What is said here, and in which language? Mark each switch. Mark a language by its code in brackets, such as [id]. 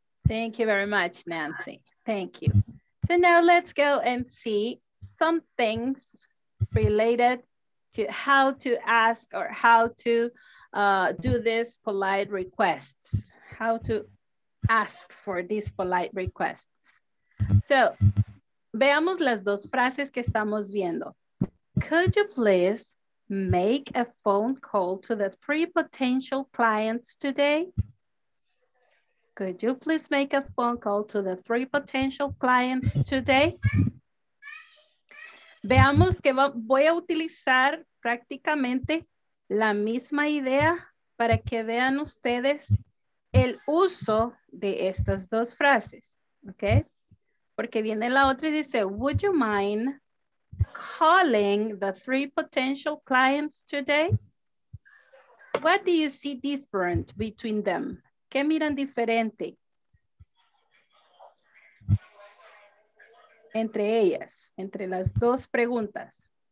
[en] Thank you very much, Nancy. Thank you. So now let's go and see some things related to how to ask or how to do these polite requests, how to ask for these polite requests. [es] So, veamos las dos frases que estamos viendo. [en] Could you please make a phone call to the three potential clients today? Could you please make a phone call to the three potential clients today? [es] Veamos que voy a utilizar prácticamente la misma idea para que vean ustedes el uso de estas dos frases, okay? Porque viene la otra y dice, [en] would you mind calling the three potential clients today? What do you see different between them? [es] ¿Qué miran diferente entre ellas, entre las dos preguntas?